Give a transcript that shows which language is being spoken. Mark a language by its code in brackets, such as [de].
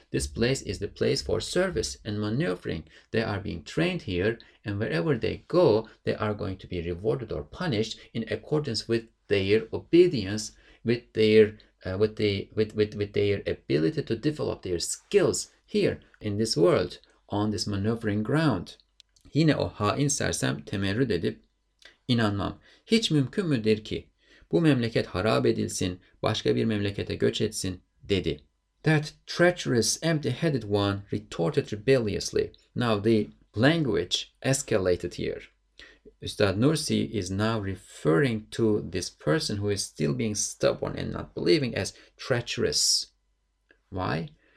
[en] This place is the place for service and maneuvering. They are being trained here, and wherever they go, they are going to be rewarded or punished in accordance with their obedience, with their with the with their ability to develop their skills here in this world on this maneuvering ground. [tr] Yine o hain sersem temerrüt edip, inanmam. Hiç mümkün müdür ki bu memleket harap edilsin, başka bir memlekete göç etsin, dedi. [en] That treacherous, empty-headed one retorted rebelliously. Now the language escalated here. Üstad Nursi is now referring to this person who is still being stubborn and not believing as treacherous. Why?